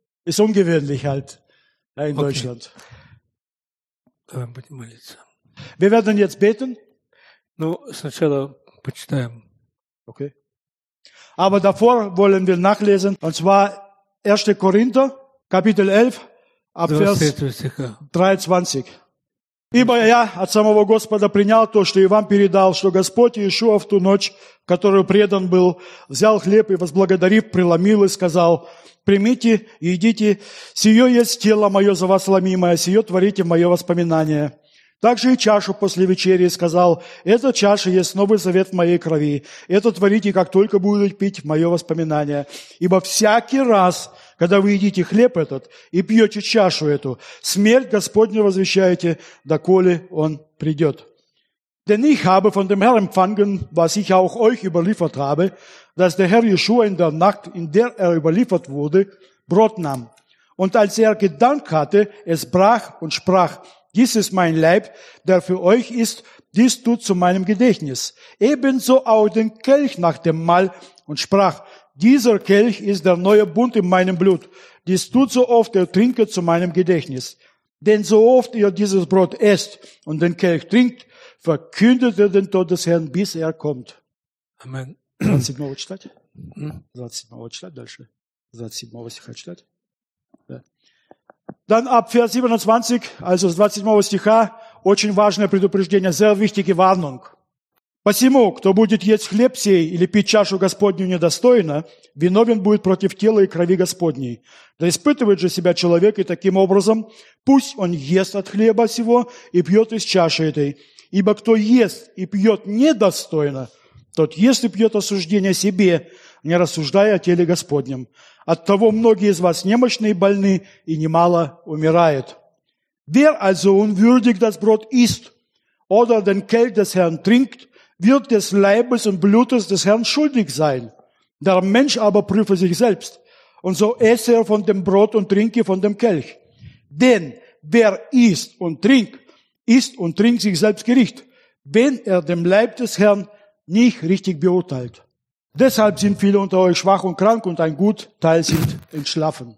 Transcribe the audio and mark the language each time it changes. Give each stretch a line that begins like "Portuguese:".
German: Ist ungewöhnlich halt, ja, in Deutschland. Okay. Wir werden jetzt beten.
Russian: Ну, сначала почитаем. Okay.
German: Aber davor wollen wir nachlesen, und zwar 1. Korinther, Kapitel 11, ab Vers 23.
Russian: Ибо я от самого Господа принял то, что и вам передал, что Господь Иешуа в ту ночь, которую предан был, взял хлеб и, возблагодарив, преломил и сказал, «Примите, едите, сие есть тело мое за вас ломимое, сие творите мое воспоминание». Также и чашу после вечери сказал, «Эта чаша есть новый завет в моей крови, это творите, как только будете пить мое воспоминание, ибо всякий раз...» Когда вы едите хлеб этот и пьете чашу эту, смерть Господню возвещаете, доколе он придет.
German: Denn ich habe von dem Herrn empfangen, was ich auch euch überliefert habe, dass der Herr Jeschua in der Nacht, in der überliefert wurde, Brot nahm. Und als gedankt hatte, es brach und sprach, dies ist mein Leib, der für euch ist, dies tut zu meinem Gedächtnis. Ebenso auch den Kelch nach dem Mahl und sprach, dieser Kelch ist der neue Bund in meinem Blut. Dies tut so oft, ihr trinket zu meinem Gedächtnis. Denn so oft ihr dieses Brot esst und den Kelch trinkt, verkündet ihr den Tod des Herrn, bis er kommt. Amen. Satz 7.
Russian: Читать?
German: Satz 7.
Russian: Читать дальше.
German: Satz 7. Was ich halt
Russian: читать?
German: Dann ab Vers 27, also 27.
Russian: Стиха,
German: очень важное предупреждение, sehr wichtige Warnung.
Russian: Посему, кто будет есть хлеб сей или пить чашу Господню недостойно, виновен будет против тела и крови Господней. Да испытывает же себя человек, и таким образом пусть он ест от хлеба сего и пьет из чаши этой. Ибо кто ест и пьет недостойно, тот ест и пьет осуждение себе, не рассуждая о теле Господнем. Оттого многие из вас немощны и больны, и немало умирает.
German: Wer also unwürdig das Brot isst oder den Kelch des Herrn trinkt, wird des Leibes und Blutes des Herrn schuldig sein. Der Mensch aber prüfe sich selbst, und so esse er von dem Brot und trinke von dem Kelch. Denn wer isst und trinkt sich selbst Gericht, wenn er dem Leib des Herrn nicht richtig beurteilt. Deshalb sind viele unter euch schwach und krank, und ein gut Teil sind entschlafen.